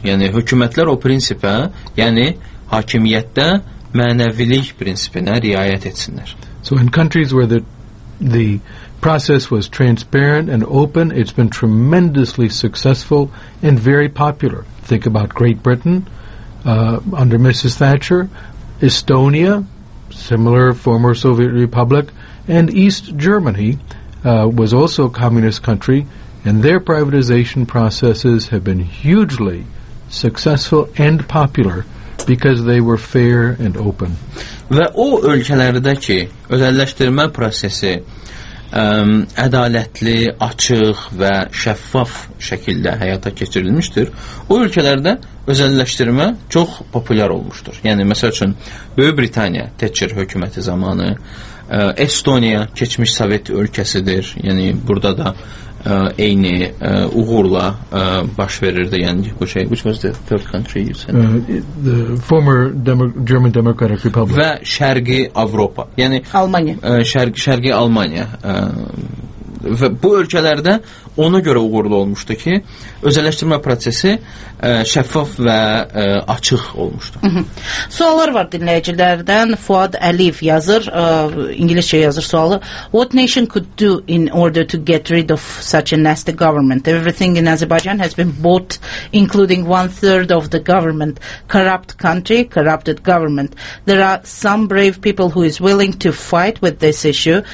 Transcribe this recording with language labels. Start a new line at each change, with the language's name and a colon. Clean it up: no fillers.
Azerbaijani: Yəni, hökumətlər o prinsipə, yəni, hakimiyyətdə mənəvilik prinsipinə riayət etsinlər.
English: So in countries where the process was transparent and open, it's been tremendously successful and very popular. Think about Great Britain, under Mrs. Thatcher, Estonia, similar former Soviet Republic, and East Germany was also a communist country, and their privatization processes have been hugely successful and popular because they were fair and open.
Azerbaijani: Və o ölkələrdəki özəlləşdirmə prosesi ədalətli, açıq və şəffaf şəkildə həyata keçirilmişdir. O ölkələrdə özəlləşdirmə çox populyar olmuşdur. Yəni, məsəl üçün, Böyük Britaniya Thatcher hökuməti zamanı, Estoniya keçmiş Sovet ölkəsidir, yəni burada da eyni uğurla baş verirdi, yəni bu şey.
English: Which was the third country you said? The former German Democratic Republic.
Azerbaijani: Və Şərqi Avropa, yəni Almanya. Şərqi Almanya. Və bu ölkələrdə ona görə uğurlu olmuşdu ki, özəlləşdirmə prosesi şəffaf və açıq olmuşdu. Suallar var dinləyicilərdən. Fuad Əliyev yazır, ingiliscə yazır sualı.
English: What nation could do in order to get rid of such a nasty government? Everything in Azerbaijan has been bought, including one-third of the government. Corrupt country, corrupted government. There are some brave people who is willing to fight with this issue.